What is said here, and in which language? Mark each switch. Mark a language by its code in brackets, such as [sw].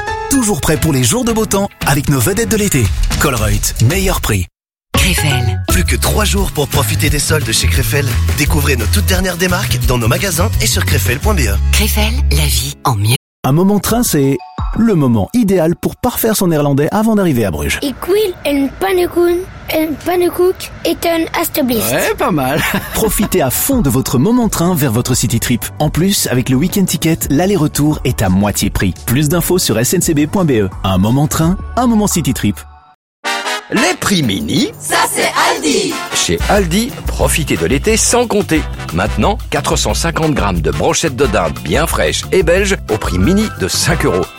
[fr] Toujours prêt pour les jours de beau temps avec nos vedettes de l'été. Colruyt, meilleur prix. Greffel. Plus que 3 jours pour profiter des soldes chez Greffel. Découvrez nos toutes dernières démarques dans nos magasins et sur greffel.be. Greffel, la vie en mieux. Un moment train, c'est le moment idéal pour parfaire son néerlandais avant d'arriver à Bruges. [nl] Ik wil een pannenkoek, et een alstublieft. [fr] Ouais, pas mal. Profitez à fond de votre moment train vers votre city trip. En plus, avec le week-end ticket, l'aller-retour est à moitié prix. Plus d'infos sur sncb.be. Un moment train, un moment city trip. Les prix mini, ça c'est Aldi. Chez Aldi, profitez de l'été sans compter. Maintenant, 450 grammes de brochettes de dinde bien fraîches et belges au prix mini de 5 euros.